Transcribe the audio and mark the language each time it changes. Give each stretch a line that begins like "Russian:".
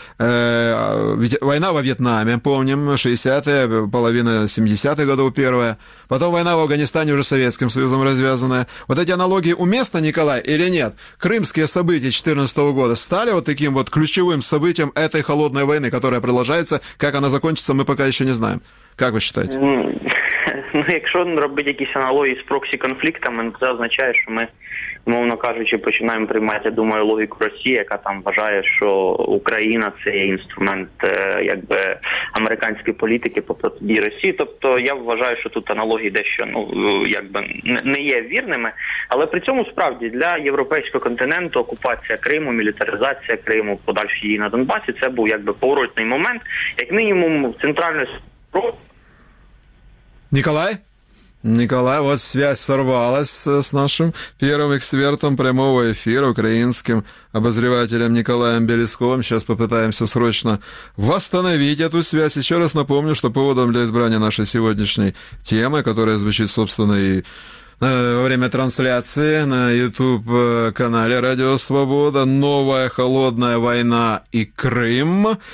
Russian: Война во Вьетнаме, помним, 60-е, половина 70-х годов первая. Потом война в Афганистане уже Советским Союзом развязанная. Вот эти аналогии уместны, Николай, или нет? Крымские события 14-го года стали вот таким вот ключевым событием этой холодной войны, которая продолжается. Как она закончится, мы пока еще не знаем. Как вы считаете?
Ukrainian: Ну, якщо робити якісь аналогії з проксі-конфліктами, це означає, що ми, умовно кажучи, починаємо приймати, я думаю, логіку Росії, яка там вважає, що Україна – це інструмент якби американської політики по протидії Росії. Тобто я вважаю, що тут аналогії дещо не є вірними. Але при цьому, справді, для європейського континенту окупація Криму, мілітаризація Криму, подальші дії на Донбасі – це був якби поворотний момент. Як мінімум, центральний...
Russian: Николай? Николай, вот связь сорвалась с нашим первым экспертом прямого эфира, украинским обозревателем Николаем Белесковым. Сейчас попытаемся срочно восстановить эту связь. Еще раз напомню, что поводом для избрания нашей сегодняшней темы, которая звучит, собственно, и во время трансляции на YouTube-канале «Радио Свобода», «Новая холодная война и Крым».